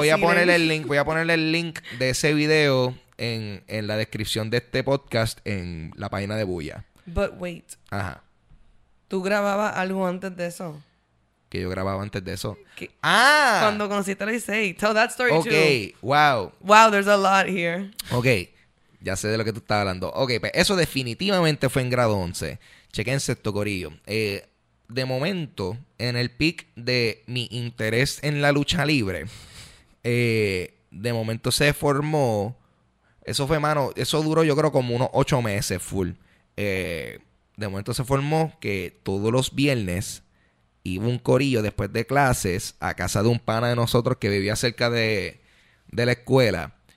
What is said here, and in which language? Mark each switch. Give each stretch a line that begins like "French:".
Spanish: Voy a ponerle el link de ese video en la descripción de este podcast en la página de Buya.
English: But wait.
Spanish: Ajá. ¿Tú grababas algo antes de eso? ¿Que yo grababa antes de eso? Cuando conociste a Licey.
English: Tell that story too. Ok, wow. Wow, there's a lot here. Ok.
Spanish: Ya sé de lo que tú estás hablando. Ok, pues eso definitivamente fue en grado 11. Chequense esto, corillo. De momento, en el peak de mi interés en la lucha libre, de momento se formó. Eso fue, mano, eso duró yo creo como unos 8 meses full. De momento se formó que todos los viernes iba un corillo después de clases a casa de un pana de nosotros que vivía cerca de la escuela.